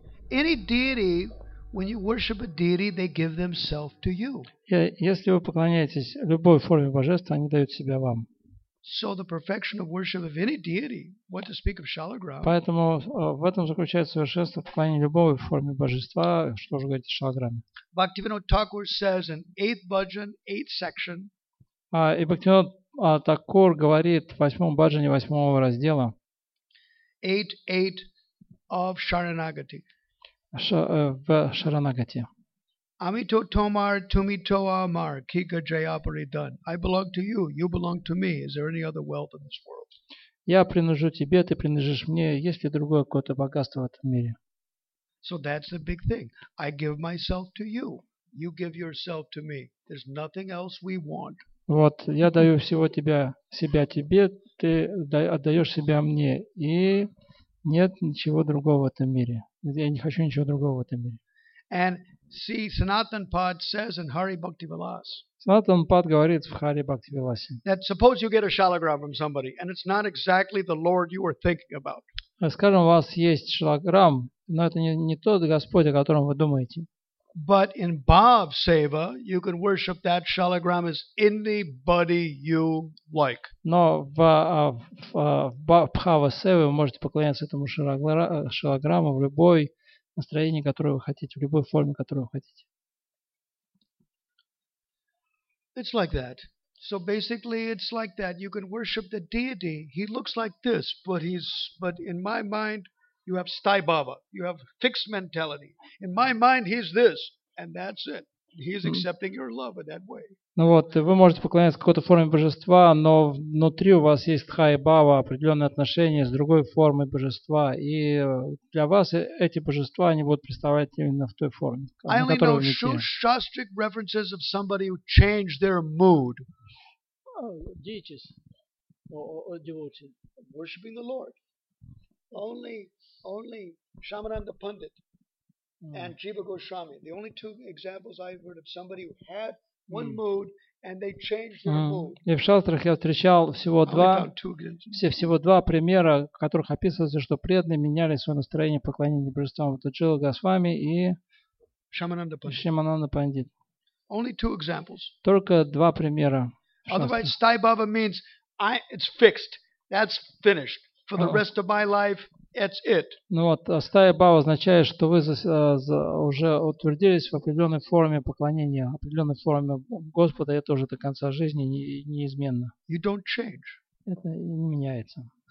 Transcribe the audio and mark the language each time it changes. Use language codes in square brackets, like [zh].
[en] Any deity, when you worship a deity, they give themselves to you. [ru] Если вы поклоняетесь любой форме божества, они дают себя вам. [en] So the perfection of worship of any deity, what to speak of Shalagram. [ru] Поэтому в этом заключается совершенство поклонения любой форме божества, что же говорить о Шалаграме. [en] Bhaktivinoda Thakur says in 8th bhajan, 8th section. [ru] И Бхактивинода Такур говорит в 8-м бхаджане 8-го раздела. [en] 8-8 of Sharanagati. [ru] В Шаранагате. [bn] Амито томар тумито амар кика джаяпаридан. [en] I belong to you, you belong to me. Is there any other wealth in this world? [ru] Я принадлежу тебе, ты принадлежишь мне. Есть ли другое какое-то богатство в этом мире? [en] So that's the big thing. I give myself to you. You give yourself to me. There's nothing else we want. [ru] Вот, я даю всего тебя, себя тебе, ты отдаешь себя мне. И нет ничего другого в этом мире. Я не хочу ничего другого в этом мире. [en] And see, Sanatan Pad says in Hari Bhakti Vilas. [ru] Sanatan Pad говорит в Хари Бхакти Виласе. [en] That suppose you get a shalagram from somebody, and it's not exactly the Lord you were thinking about. [ru] Скажем, у вас есть шалограм, но это не тот Господь, о котором вы думаете. [en] But in Bhav Seva, you can worship that shalagram as anybody you like. [ru] Но в Бхава Сева вы можете поклоняться этому шалограму в любой настроении, которое вы хотите, в любой форме, которую вы хотите. [en] It's like that. So basically, it's like that. You can worship the deity. He looks like this, but in my mind, You have Sthayi Bhava. You have fixed mentality. In my mind, he's this, and that's it. He's accepting your love in that way. [ru] Ну вот, вы можете поклоняться какой-то форме божества, но внутри у вас есть Sthayi Bhava, определенные отношения с другой формой божества. И для вас эти божества, они будут представлять именно в той форме, которую вы видите. [en] I only know shastric references of somebody who changed their mood. Deities. Or devotees. Worshipping the Lord. Only Shamananda Pandit and Jiva Goswami. The only two examples I've heard of somebody who had one mood and they changed their mood. [ru] И в шастрах я встречал всего два примера, в которых описывается, что преданные меняли свое настроение поклонения божествам. Это Джива Госвами и Шамананда Пандит. [en] Only two examples. [ru] Только два примера. [en] Otherwise, Sthayi Bhava means it's fixed. That's finished. For the rest of my life, that's it. [ru] Ну вот, Sthayi Bhava означает, что вы уже утвердились в определенной форме поклонения, определенной форме Господа, это уже до конца жизни неизменно. [en] You don't change. [ru] Это не меняется.